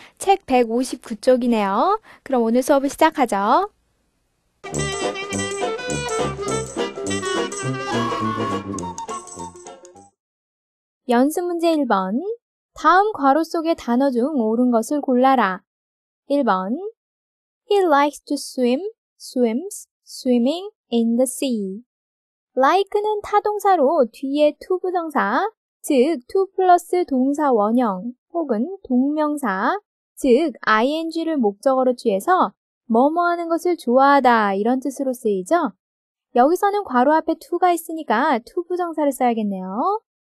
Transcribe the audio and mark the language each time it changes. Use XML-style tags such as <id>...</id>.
<ko>책 159쪽이네요. 그럼 오늘 수업을 시작하죠. 연습 문제 1번. 다음 괄호 속의 단어 중 옳은 것을 골라라. 1번.</ko> <en>He likes to swim, swims, swimming in the sea.</en> <ko>like는 타동사로 뒤에 to 부정사, 즉 to 플러스 동사 원형 혹은 동명사, 즉 ing를 목적어로 취해서 뭐뭐하는 것을 좋아하다 이런 뜻으로 쓰이죠. 여기서는 괄호 앞에 to가 있으니까 to 부정사를 써야겠네요.</ko>